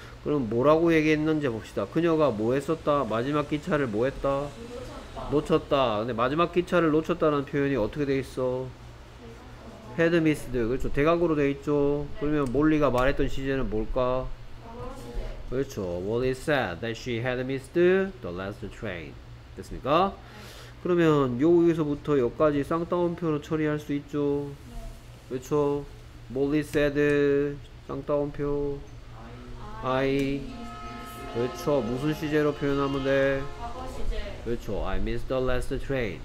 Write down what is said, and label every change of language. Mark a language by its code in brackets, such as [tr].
[ko] 그럼 뭐라고 얘기했는지 봅시다. 그녀가 뭐 했었다? 마지막 기차를 뭐 했다? 놓쳤다. 근데 마지막 기차를 놓쳤다는 표현이 어떻게 돼 있어? [en] had missed. [ko] 그렇죠. 대각으로 돼 있죠. 그러면 몰리가 말했던 시제는 뭘까? 그렇죠. [en] Molly said that she had missed the last train. [ko] 됐습니까? 그러면 여기서부터 여기까지 쌍따옴표로 처리할 수 있죠. [en] 그렇죠. Molly said [ko] 쌍따옴표 [en] I [ko] 그렇죠. 무슨 시제로 표현하면 돼? 그렇죠. [en] I missed the last train.